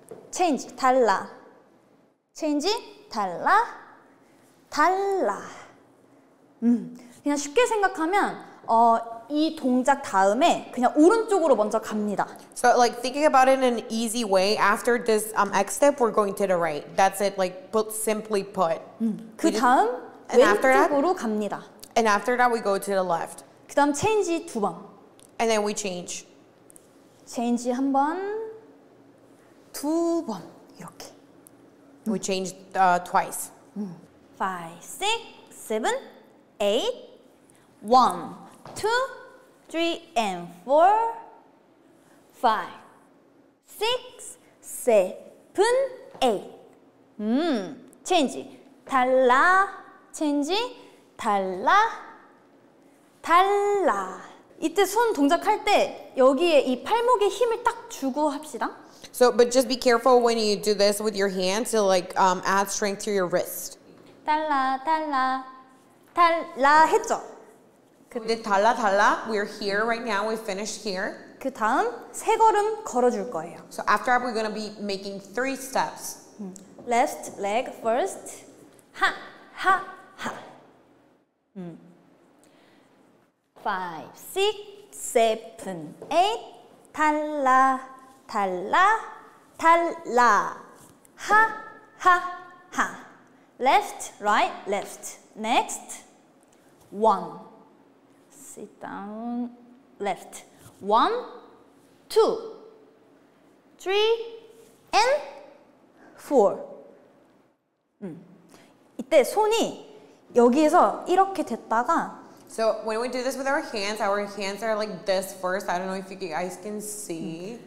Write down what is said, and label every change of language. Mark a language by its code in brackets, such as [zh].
[ko] change 달라 change 달라 달라 그냥 쉽게 생각하면 이 동작 다음에 그냥 오른쪽으로 먼저 갑니다. [en] So like thinking about it in an easy way, after this X step, we're going to the right. That's it, like put, simply put. [ko] 그 다음 왼쪽으로 갑니다. [en] And after that, we go to the left. [ko] 그 다음 change 두 번. [en] And then we change. [ko] Change 한 번, 두 번 이렇게. [en] We change twice. 5, 6, 7, 8, 1. 2, 3, and 4, 5, 6, 7, 8. Change. 달라. Change. 달라. 달라. [ko] 이때 손 동작할 때 여기에 이 팔목에 힘을 딱 주고 합시다. [en] So, but just be careful when you do this with your hands to like add strength to your wrist. [ko] 달라, 달라, 달라 했죠. 근데 달라 달라 [en] we're here right now we finished here [ko] 그 다음 세 걸음 걸어줄 거예요 [en] so after we're gonna be making three steps left leg first 하 하 하 five six seven eight [ko] 달라 달라 달라 [en] 하 하 하 left right left next one Sit down, left. One, two, three, and four. [ko] 이때 손이 여기에서 이렇게 됐다가 [en] So when we do this with our hands are like this first. I don't know if you guys can see.